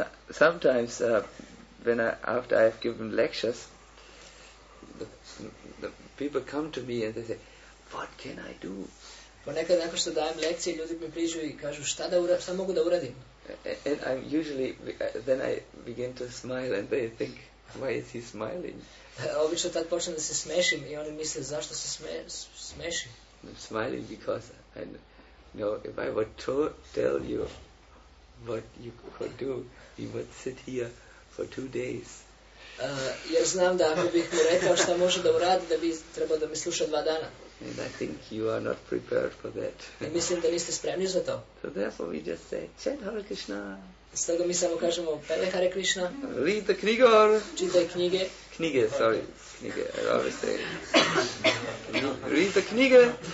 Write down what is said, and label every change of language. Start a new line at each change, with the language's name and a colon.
English: Sometimes after I've given lectures, the people come to me and they say, what can I do?
Serbian: Ponekad nakon što dajem lekcije, ljudi mi priđu i kažu šta mogu da uradim?
English: And I'm usually, then I begin to smile and they think, why is he smiling?
Serbian: Obično tad počnem da se smešim i oni misle, zašto se smeši?
English: I'm smiling because, I know, if I would tell you what you could do, you would sit here for 2 days.
Serbian: Jer znam da ako bih mu rekao šta može da uradi, da bi trebao da mi sluša 2 dana.
English: And I think you are not prepared for that.
Serbian: Mislim da niste spremni za to.
English: So therefore we just say, chant Hare Krishna.
Serbian: Stoga mi samo kažemo, pele Hare Krishna.
English: Read the knjigor.
Serbian: Čitaj knjige.
English: Knjige, sorry. Knjige, I always say. Read the knjige.